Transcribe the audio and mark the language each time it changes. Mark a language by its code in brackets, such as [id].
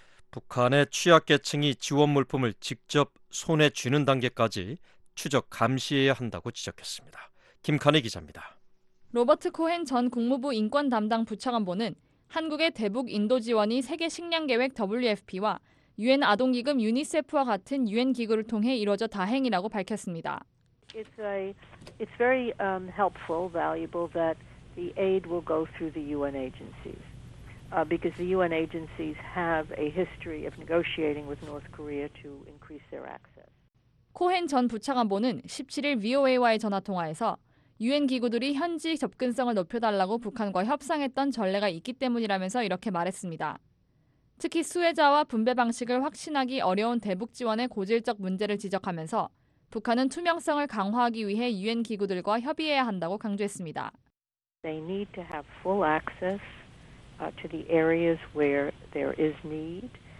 [ko] 북한의 취약계층이 지원 물품을 직접 손에 쥐는 단계까지 추적 감시해야 한다고 지적했습니다. 김카네 기자입니다. 로버트 코헨 전 국무부 인권 담당 부차관보는 한국의 대북 인도 지원이 세계 식량 계획 WFP와 유엔 아동 기금 유니세프와 같은 유엔 기구를 통해 이루어져 다행이라고 밝혔습니다. [en] It's very helpful, valuable that the aid will go through the UN agencies. Because the UN agencies have a history of negotiating with North Korea to increase their access. [ko] 코헨 전 부차관보는 17일 VOA와의 전화통화에서 유엔 기구들이 현지 접근성을 높여달라고 북한과 협상했던 전례가 있기 때문이라면서 이렇게 말했습니다. 특히 수혜자와 분배 방식을 확신하기 어려운 대북 지원의 고질적 문제를 지적하면서 북한은 투명성을 강화하기 위해 유엔 기구들과 협의해야 한다고 강조했습니다. [en] They need to have full access to the areas where there is need.